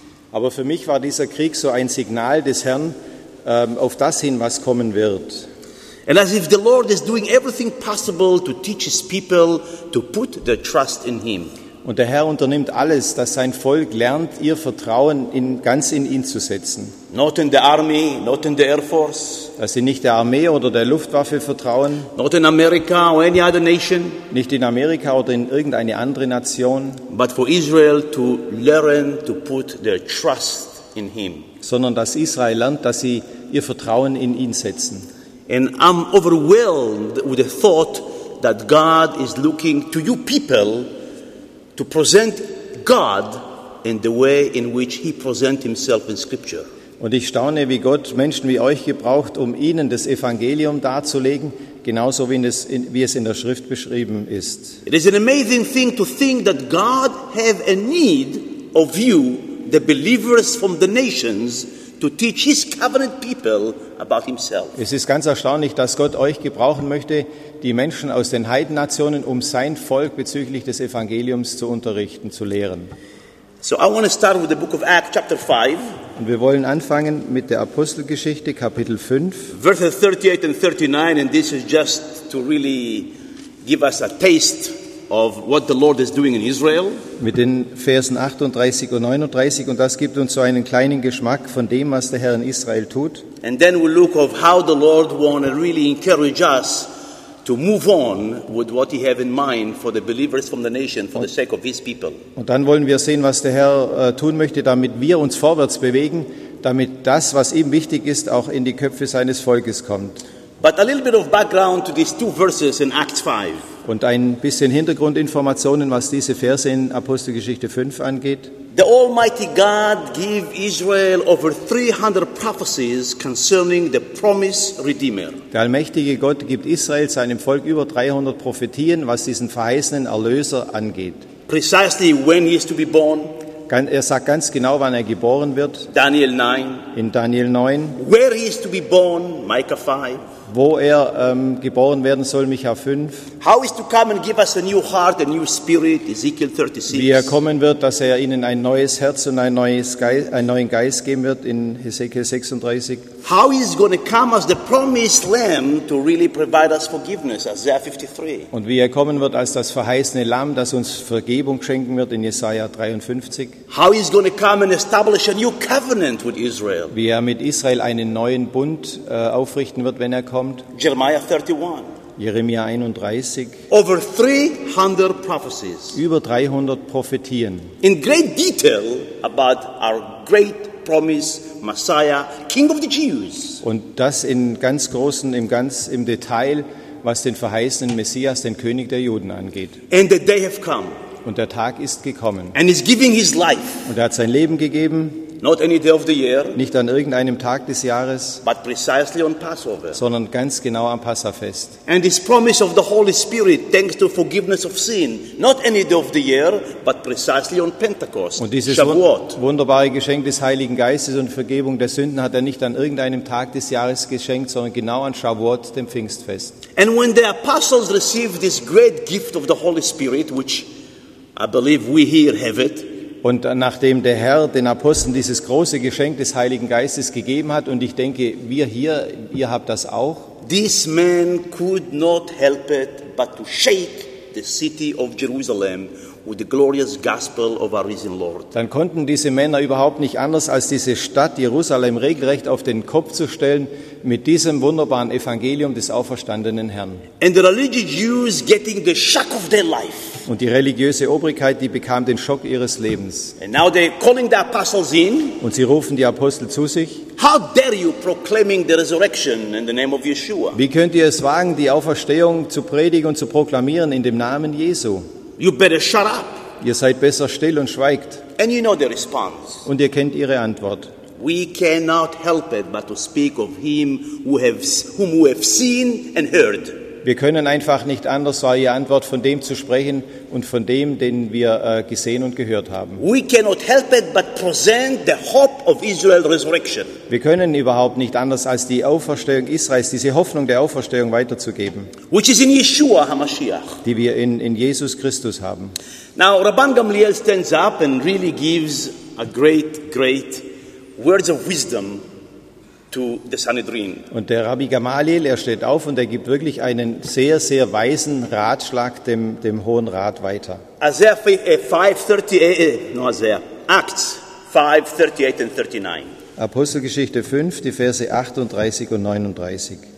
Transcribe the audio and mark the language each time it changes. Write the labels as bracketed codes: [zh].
[de] Aber für mich war dieser Krieg so ein Signal des Herrn auf das hin, was kommen wird. [en] And as if the Lord is doing everything possible to teach his people to put their trust in him. [de] Und der Herr unternimmt alles, dass sein Volk lernt, ihr Vertrauen ganz in ihn zu setzen. [en] Not in the army, not in the air force. [de] Dass sie nicht der Armee oder der Luftwaffe vertrauen. [en] Not in America or any other nation. [de] Nicht in Amerika oder in irgendeine andere Nation. [en] But for Israel to learn to put their trust in him. [de] Sondern dass Israel lernt, dass sie ihr Vertrauen in ihn setzen. [en] And I'm overwhelmed with the thought that God is looking to you people to present God in the way in which he presents himself in Scripture. [de] Und ich staune, wie Gott Menschen wie euch gebraucht, um ihnen das Evangelium darzulegen, genauso wie es in der Schrift beschrieben ist. [en] It is an amazing thing to think that God have a need of you, the believers from the nations, to teach his covenant people about himself. [de] Es ist ganz erstaunlich, dass Gott euch gebrauchen möchte, die Menschen aus den Heidennationen, um sein Volk bezüglich des Evangeliums zu unterrichten, zu lehren. [en] So I want to start with the book of Acts chapter 5. [de] Und wir wollen anfangen mit der Apostelgeschichte Kapitel 5. [en] Verses 38 and 39, and this is just to really give us a taste of what the Lord is doing in Israel. [de] Mit den Versen 38 und 39, und das gibt uns so einen kleinen Geschmack von dem, was der Herr in Israel tut. [en] And then we look of how the Lord want to really encourage us to move on with what he have in mind for the believers from the nation for the sake of his people. [de] Und dann wollen wir sehen, was der Herr tun möchte, damit wir uns vorwärts bewegen, damit das, was ihm wichtig ist, auch in die Köpfe seines Volkes kommt. [en] But a little bit of background to these two verses in Acts 5. [de] Und ein bisschen Hintergrundinformationen, was diese Verse in Apostelgeschichte 5 angeht. [en] The Almighty God gave Israel over 300 prophecies concerning the promised Redeemer. [de] Der allmächtige Gott gibt Israel, seinem Volk, über 300 Prophetien, was diesen verheißenen Erlöser angeht. [en] Precisely when he is to be born. [de] Er sagt ganz genau, wann er geboren wird. [en] Daniel 9. [de] In Daniel 9. [en] Where he is to be born, Micah 5. [de] Wo er geboren werden soll, Micha 5. [en] How is to come and give us a new heart, a new spirit, Ezekiel 36. [de] Wie er kommen wird, dass er ihnen ein neues Herz und einen neuen Geist geben wird, in Ezekiel 36. [en] How is going to come as the promised lamb to really provide us forgiveness, Isaiah 53. [de] Und wie er kommen wird als das verheißene Lamm, das uns Vergebung schenken wird, in Jesaja 53. [en] How is going to come and establish a new covenant with Israel. [de] Wie er mit Israel einen neuen Bund aufrichten wird, wenn er kommt. [en] Jeremiah 31. [de] Jeremia 31. [en] Over 300 prophecies. [de] Über 300 Prophetien. [en] In great detail about our great promise Messiah, King of the Jews. [de] Und das in ganz großen, im Detail, was den verheißenen Messias, den König der Juden angeht. [en] And the day have come. [de] Und der Tag ist gekommen. [en] And he's giving his life. [de] Und er hat sein Leben gegeben. [en] Not any day of the year, [de] nicht an irgendeinem Tag des Jahres, [en] but precisely on Passover, [de] sondern ganz genau am Passafest. [en] And his promise of the Holy Spirit, thanks to forgiveness of sin, not any day of the year, but precisely on Pentecost. [de] Und dieses wunderbare Geschenk des Heiligen Geistes und Vergebung der Sünden hat er nicht an irgendeinem Tag des Jahres geschenkt, sondern genau an Shavuot, dem Pfingstfest. [en] And when the apostles received this great gift of the Holy Spirit, which I believe we here have it. [de] Und nachdem der Herr den Aposteln dieses große Geschenk des Heiligen Geistes gegeben hat, und ich denke, wir hier, ihr habt das auch. [en] This man could not help it but to shake the city of Jerusalem with the glorious gospel of our risen Lord. [de] Dann konnten diese Männer überhaupt nicht anders, als diese Stadt Jerusalem regelrecht auf den Kopf zu stellen mit diesem wunderbaren Evangelium des auferstandenen Herrn. [en] And the religious Jews getting the shock of their life. [de] Und die religiöse Obrigkeit, die bekam den Schock ihres Lebens. [en] And now they're calling the apostles in. [de] Und sie rufen die Apostel zu sich. [en] How dare you proclaiming the resurrection in the name of Yeshua? [de] Wie könnt ihr es wagen, die Auferstehung zu predigen und zu proklamieren in dem Namen Jesu? [en] You better shut up. [de] Ihr seid besser still und schweigt. [en] And you know the response. [de] Und ihr kennt ihre Antwort. [en] We cannot help it but to speak of him whom we have seen and heard. [de] Wir können einfach nicht anders, war ihre Antwort, von dem zu sprechen und von dem, den wir gesehen und gehört haben. [en] We cannot help it but present the hope of Israel resurrection. [de] Wir können überhaupt nicht anders, als die Auferstehung Israels, diese Hoffnung der Auferstehung weiterzugeben. [en] Which is in Yeshua HaMashiach. [de] Die wir in Jesus Christus haben. [en] Now Rabban Gamliel stands up and really gives a great, great words of wisdom to the Sanhedrin. [de] Und der Rabbi Gamaliel, er steht auf und er gibt wirklich einen sehr, sehr weisen Ratschlag dem Hohen Rat weiter. [en] Acts 5, 38 and 39. [de] Apostelgeschichte 5, die Verse 38 und 39.